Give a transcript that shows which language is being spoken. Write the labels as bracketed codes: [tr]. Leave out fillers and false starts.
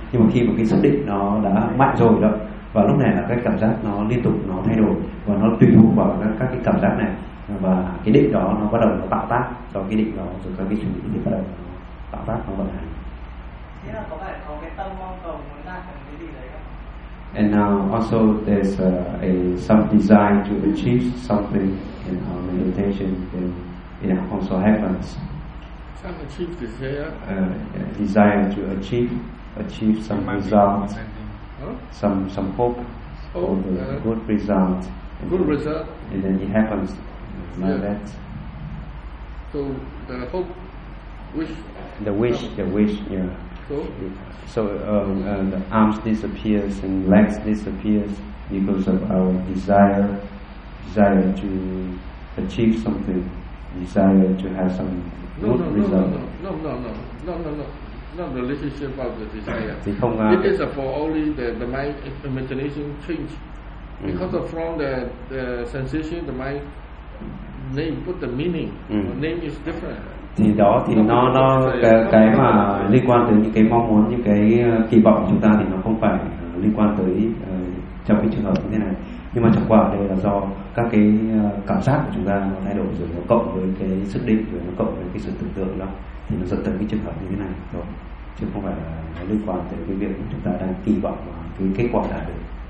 [vi] Nhưng mà khi mà cái xác định nó đã mạnh rồi đó, và lúc này là cái cảm giác nó liên tục nó thay đổi và nó tùy thuộc vào các cái cảm giác này, và cái định đó nó bắt đầu nó tạo tác cho cái định đó, rồi các cái suy nghĩ thì bắt đầu tạo tác nó vận hành. Thế là có phải có cái tâm mong cầu muốn đạt được cái gì đấy không? [en] And now also there's some desire to achieve something in our meditation, then it also happens. Some achieve desire. Desire to achieve some result, some hope for the good result. Good result. And then it happens like that. So the hope, wish. The wish, yeah. So the arms disappears and legs disappears because of our desire to achieve something, desire to have some good result. No. not the relationship of the desire. [vi] Thì không, [en] it is for only the mind imagination change. Because of from the sensation, the mind name put the meaning. Name is different. [vi] Thì đó thì nó cái mà liên quan tới những cái mong muốn, những cái kỳ vọng của chúng ta thì nó không phải liên quan tới trong cái trường hợp như thế này. Nhưng mà chẳng qua đây là do các cái cảm giác của chúng ta nó thay đổi, rồi nó cộng với cái sự định, rồi nó cộng với cái sự tưởng tượng đó, thì nó dẫn tới cái trường hợp như thế này thôi, chứ không phải là nó liên quan tới cái việc chúng ta đang kỳ vọng và cái kết quả đạt được.